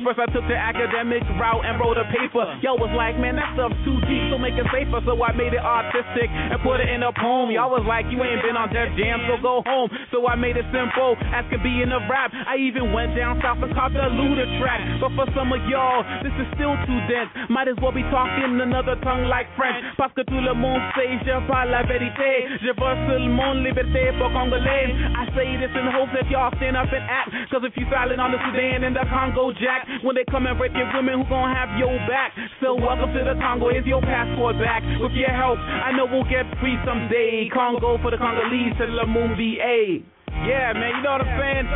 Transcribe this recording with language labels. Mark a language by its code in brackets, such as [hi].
[en] First, I took the academic route and wrote a paper. Y'all was like, man, that stuff's too deep, so make it safer. So I made it artistic and put it in a poem. Y'all was like, you ain't been on Def Jam, so go home. So I made it simple, as could be in a rap. I even went down south and caught the looter track. But for some of y'all, this is still too dense. Might as well be talking another tongue like French. [fr] Parce que tout le monde sait, je parle la vérité. Je veux seulement liberté pour Congolais. [en] I say this in hopes that y'all stand up and act. Cause if you silent on the Sudan and the Congo Jack, when they come and rape your women, who gon' have your back? So welcome to the Congo, here's your passport back. With your help, I know we'll get free someday. Congo for the Congolese, to Lumumba. Yeah, man, you know what I'm saying?